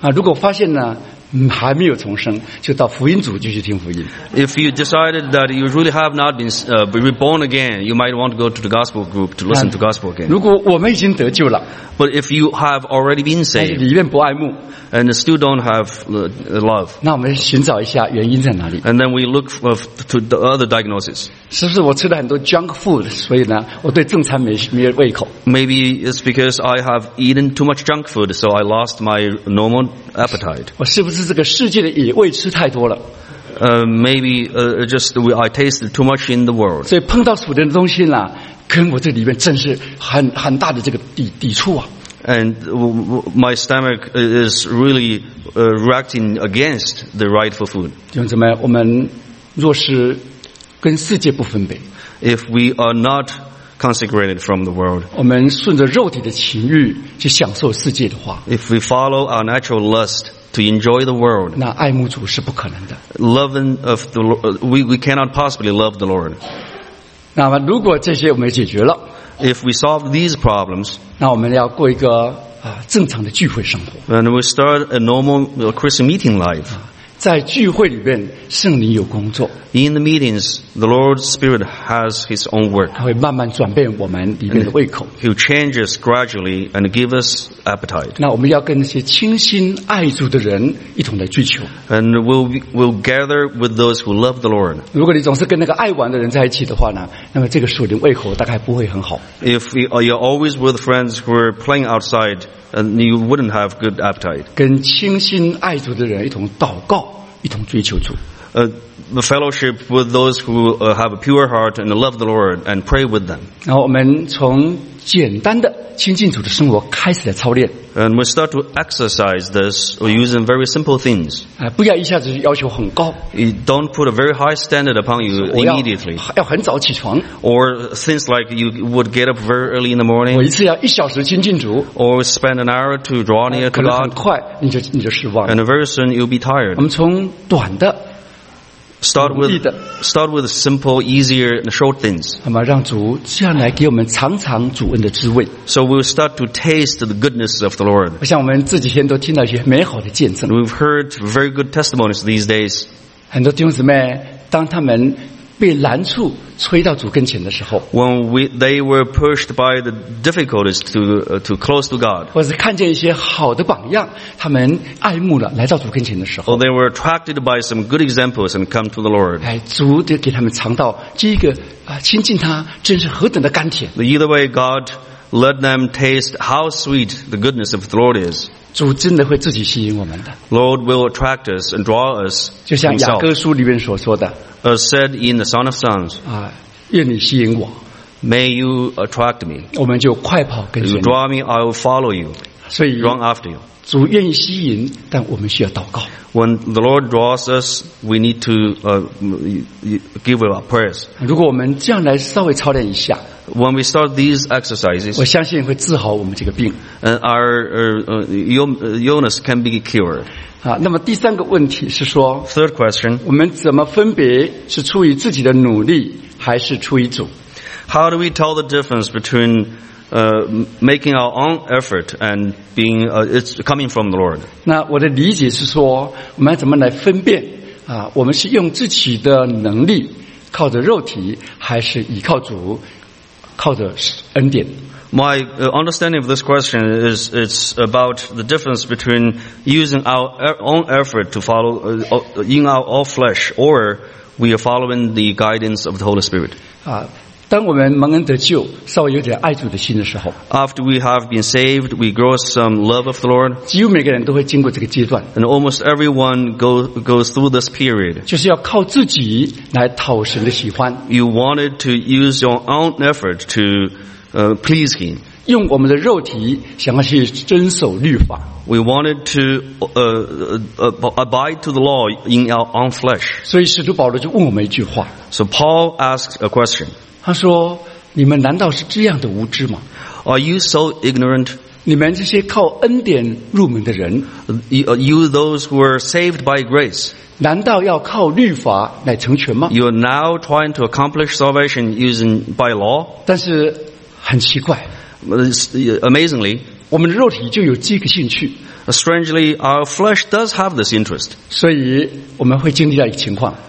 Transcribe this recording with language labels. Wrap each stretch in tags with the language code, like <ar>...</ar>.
<zh>如果发现呢还没有重生，就到福音组继续听福音。</zh> <en>If you decided that you really have not been reborn again, you might want to go to the gospel group to listen to gospel again.</en> <zh>如果我们已经得救了</zh> <en>，But if you have already been saved,</en> <zh>但是里面不爱慕</zh> <en>，and still don't have love,</en> <zh>那我们寻找一下原因在哪里</zh> <en>？And then we look to the other diagnosis.</en> <zh>是不是我吃了很多 junk food， 所以呢，我对正餐没有胃口</zh> <en>？Maybe it's because I have eaten too much junk food, so I lost my normal appetite.</en> <zh>我是不是？是这个世界的野味吃太多了。</zh> <en>Maybe I tasted too much in the world.</en> <zh>所以碰到属灵的东西呢，跟我这里面正是很大的这个抵触啊。</zh> <en>And my stomach is really reacting against the rightful food.</en> <zh>弟兄姊妹，我们若是跟世界不分别</zh> <en>，If we are not consecrated from the world.</en> <zh>我们顺着肉体的情欲去享受世界的话</zh> <en>，If we follow our natural lust. To enjoy the world.</en> <zh>那爱慕主是不可能的。</zh> <en>Loving of the Lord, we cannot possibly love the Lord.</en> <zh>那么如果这些我们解决了</zh> <en>，If we solve these problems,</en> <zh>那我们要过一个正常的聚会生活。</zh> <en>And we start a normal Christian meeting life.</en> <zh>在聚会里面，圣灵有工作。</zh> <en>In the meetings, the Lord's Spirit has His own work.</en> <zh>他会慢慢转变我们里面的胃口。</zh> <en>He changes gradually and give us appetite.</en> <zh>那我们要跟那些倾心爱主的人一同来聚求。</zh> <en>And we'll gather with those who love the Lord.</en> <zh>如果你总是跟那个爱玩的人在一起的话呢，那么这个属灵胃口大概不会很好。</zh> <en>If you're always with friends who are playing outside. And you wouldn't have good appetite.</en> <zh>跟倾心爱主的人一同祷告，一同追求主。</zh> <en>The fellowship with those who have a pure heart and love the Lord and pray with them.</en> <zh>然后我们从简单的亲近主的生活开始来操练。</zh> <en>And we start to exercise this using very simple things.</en> <zh>不要一下子要求很高。</zh> <en>Don't put a very high standard upon you immediately.</en> <zh>要很早起床。</zh> <en>Or things like you would get up very early in the morning.</en> <zh>我一次要一小时亲近主。</zh> <en>Or spend an hour to draw near to God.</en> <zh>可能很快你就失望了。</zh> <en>And very soon you'll be tired.</en> <zh>我们从短的</zh> <en>Start with simple, easier, and short things.</en> <zh>那么让主这样来给我们尝尝主恩的滋味。</zh> <en>So we'll start to taste the goodness of the Lord.</en> <zh>像我们这几天都听到一些美好的见证。</zh> <en>We've heard very good testimonies these days.</en> <zh>很多弟兄姊妹，当他们被难处催到主跟前的时候</zh> <en>，When they were pushed by the difficulties to close to God，</en> <zh>或是看见一些好的榜样，他们爱慕了来到主跟前的时候</zh> <en>，Or they were attracted by some good examples and come to the Lord，</en> <zh>哎，主得给他们尝到这个亲近他真是何等的甘甜。</zh> <en>Either way, God let them taste how sweet the goodness of the Lord is。</en> <zh>主真的会自己吸引我们的。</zh> <en>Lord will attract us and draw us。</en> <zh>就像雅各书里面所说的。</zh> <en>As said in the Song of Songs,</en> <zh>愿你吸引我。</zh> <en>May you attract me.</en> <zh>我们就快跑跟随你。</zh> <en>You draw me, I will follow you.</en> <zh>所以</zh> <en>run after you.</en> <zh>主愿意吸引，但我们需要祷告。</zh> <en>When the Lord draws us, we need to give our prayers.</en> <zh>如果我们这样来稍微操练一下</zh> <en>，When we start these exercises,</en> <zh>我相信会治好我们这个病。</zh> <en>Our illness can be cured.</en> <zh>那么第三个问题是说</zh> <en>Third question,</en> <zh>我们怎么分别是出于自己的努力还是出于主</zh> <en>How do we tell the difference between making our own effort and being it's coming from the Lord</en> <zh>那我的理解是说我们怎么来分辨我们是用自己的能力靠着肉体还是倚靠主靠着恩典</zh> <en>My understanding of this question is it's about the difference between using our own effort to follow in our own flesh or we are following the guidance of the Holy Spirit.</en> <zh>当我们蒙恩得救，稍微有点爱主的心的时候</zh> <en>，After we have been saved, we grow some love of the Lord.</en> <zh>几乎每个人都会经过这个阶段</zh> <en>，And almost everyone goes through this period.</en> <zh>就是要靠自己来讨神的喜欢。</zh> <en>You wanted to use your own effort to please him.</en> <zh>用我们的肉体想要去遵守律法。</zh> <en>We wanted to abide to the law in our own flesh.</en> <zh>所以使徒保罗就问我们一句话。</zh> <en>So Paul asked a question.</en> <zh>他说：“你们难道是这样的无知吗</zh> <en>？”Are you so ignorant?</en> <zh>你们这些靠恩典入门的人</zh> <en>，You those who are saved by grace.</en> <zh>难道要靠律法来成全吗</zh> <en>？You are now trying to accomplish salvation using by law.</en> <zh>但是很奇怪</zh> <en>，Amazingly，</en> <zh>我们的肉体就有这个兴趣。</zh> <en>Strangely, our flesh does have this interest.</en> <zh>所以我们会经历到一个情况。</zh>